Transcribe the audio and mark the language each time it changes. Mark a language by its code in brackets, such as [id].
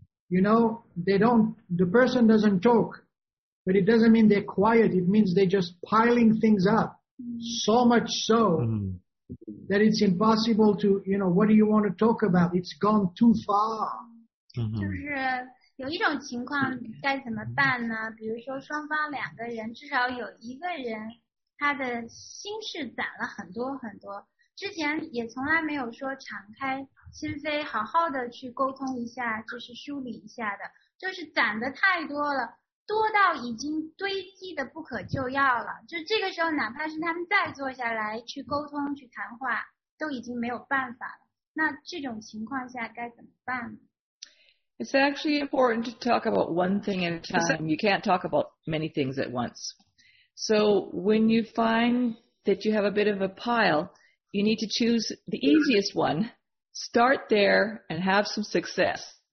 [en] You know, the person doesn't talk, but it doesn't mean they're quiet. It means they're just piling things up. So much so that it's impossible to, you know, what do you want to talk about? It's gone too far. [zh] 有一种情况该怎么办呢？比如说双方两个人，至少有一个人他的心事攒了很多很多，之前也从来没有说敞开心扉好好的去沟通一下，就是梳理一下的，就是攒的太多了，多到已经堆积的不可救药了，就这个时候哪怕是他们再坐下来去沟通去谈话都已经没有办法了，那这种情况下该怎么办呢？ [en] It's actually important to talk about one thing at a time. You can't talk about many things at once. So when you find that you have a bit of a pile, you need to choose the easiest one, start there, and have some success.